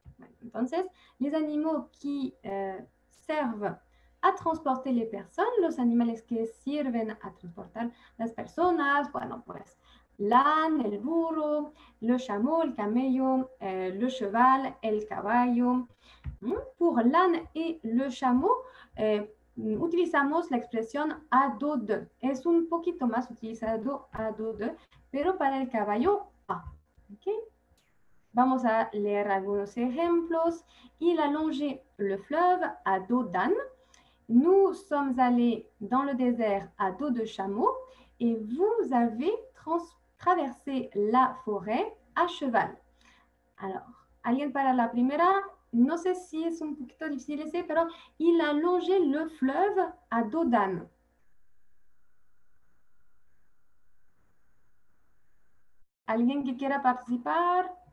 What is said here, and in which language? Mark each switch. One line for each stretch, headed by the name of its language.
Spanish: Bueno, entonces,
French: les animaux qui servent à transporter les personnes,
Spanish: los animales que sirven a transportar las personas, bueno, pues, l'âne, el burro, le chameau, el camello, le cheval, el caballo.
French: Pour l'âne et le chameau,
Spanish: utilizamos la expresión a dos de. Es un poquito más utilizado a dos de, pero para el caballo, a. ¿Okay? Vamos a leer algunos ejemplos.
French: Il a longé le fleuve a dos d'âne. Nous sommes allés dans le désert a dos de chameau. Et vous avez traversé la forêt a cheval.
Spanish: Alors, ¿alguien para la primera? No sé si es un poquito difícil ese, pero
French: il a longé le fleuve a dos d'âne.
Spanish: ¿Alguien que quiera participar?